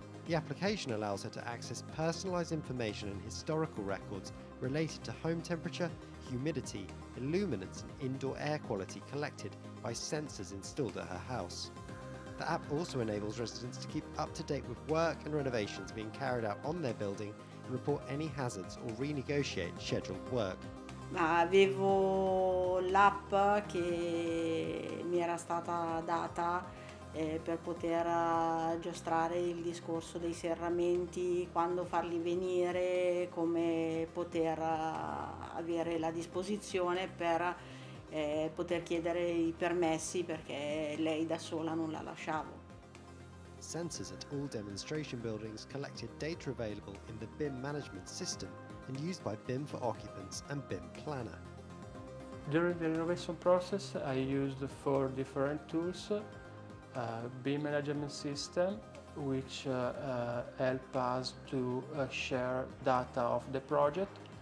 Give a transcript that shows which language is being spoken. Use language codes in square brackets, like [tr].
[en] The application allows her to access personalized information and historical records related to home temperature, humidity, illuminance, and indoor air quality collected by sensors installed at her house. The app also enables residents to keep up to date with work and renovations being carried out on their building and report any hazards or renegotiate scheduled work. [it] Ma avevo l'app che mi era stata data per poter aggiustare il discorso dei serramenti, quando farli venire, come poter avere la disposizione per poter chiedere i permessi perché lei da sola non la lasciavo. [en] Sensors at all demonstration buildings collected data available in the BIM Management System and used by BIM for Occupants and BIM Planner. During the renovation process, I used four different tools. BIM Management System, which help us to share data of the project.